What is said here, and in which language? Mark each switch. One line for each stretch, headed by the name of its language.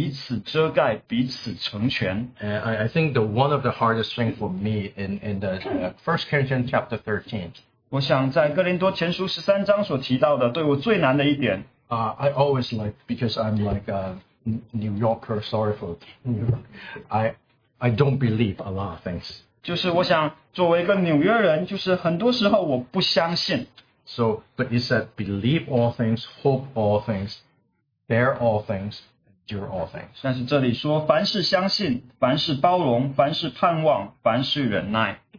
Chinese: 那在这个过程当中，我们就当彼此遮盖，彼此成全。
English: I think the one of the hardest things for me in the First Corinthians chapter 13.
Chinese: 我想在哥林多前书13章所提到的，对我最难的一点。
English: I always like, because I'm like a New Yorker, sorry for New York, I don't believe a lot of things.
Chinese: 就是我想作为一个纽约人，就是很多时候我不相信。
English: So, but it said, believe all things, hope all things, bear all things, endure all things.
Chinese: 但是这里说，凡事相信，凡事包容，凡事盼望，凡事忍耐。